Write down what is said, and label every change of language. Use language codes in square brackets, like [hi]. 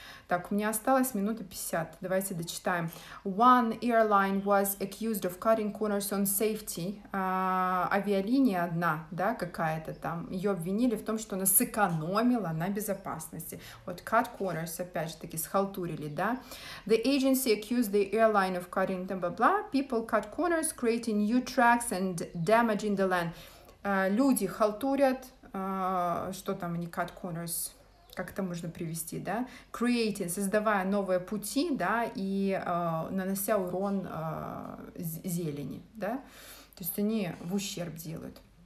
[ru] Так, у меня осталось минута 50. Давайте дочитаем. [en] One airline was accused of cutting corners on safety. [ru] Авиалиния одна, да, какая-то там. Ее обвинили в том, что она сэкономила на безопасности. Вот cut corners, опять же таки, схалтурили, да. [en] The agency accused the airline of cutting them, blah-blah. People cut corners, creating new tracks and damaging the land. [ru] Люди халтурят, что там они cut corners, как это можно привести, да, creating, создавая новые пути, да, и нанося урон зелени, да, то есть они в ущерб делают.